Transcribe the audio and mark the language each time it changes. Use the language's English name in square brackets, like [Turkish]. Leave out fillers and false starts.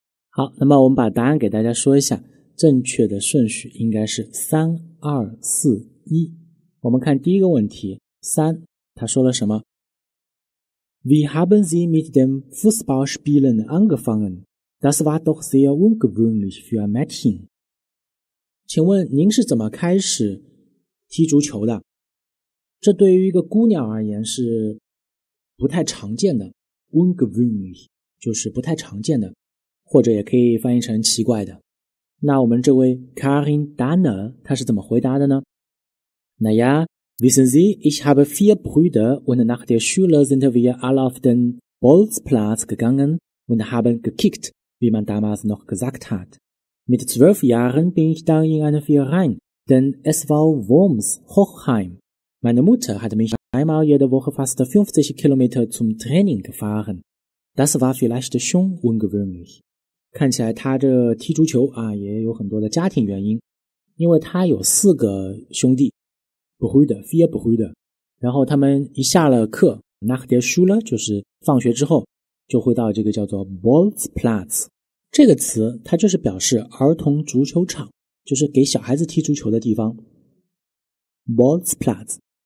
[Chinese] 好，那么我们把答案给大家说一下，正确的顺序应该是3 2 4 1。我们看第一个问题，三，他说了什么？ [German] Wie haben Sie mit dem Fußballspielen angefangen? Das war doch sehr ungewöhnlich für ein Mädchen. [Chinese] 请问您是怎么开始踢足球的？这对于一个姑娘而言是不太常见的， ungewöhnlich 就是不太常见的，或者也可以翻译成奇怪的。那我们这位 Karin Danner 他是怎么回答的呢？ [German] Naja, wissen Sie, ich habe vier Brüder und nach der Schule sind wir alle auf den Bolzplatz gegangen und haben gekickt, wie man damals noch gesagt hat. Mit 12 Jahren bin ich dann in einen Verein, den SV Worms Hochheim. Meine Mutter hat mich einmal jede Woche fast 50 Kilometer zum Training gefahren. Das war vielleicht schon ungewöhnlich. [Chinese] 看起来他这踢足球啊也有很多的家庭原因，因为他有四个兄弟 Brüder, [German] vier Brüder, [Chinese] 然后他们一下了课 [German] nach der Schule, [Chinese] 就是放学之后就会到这个叫做 Bolzplatz, 这个词它就是表示儿童足球场，就是给小孩子踢足球的地方 Bolzplatz。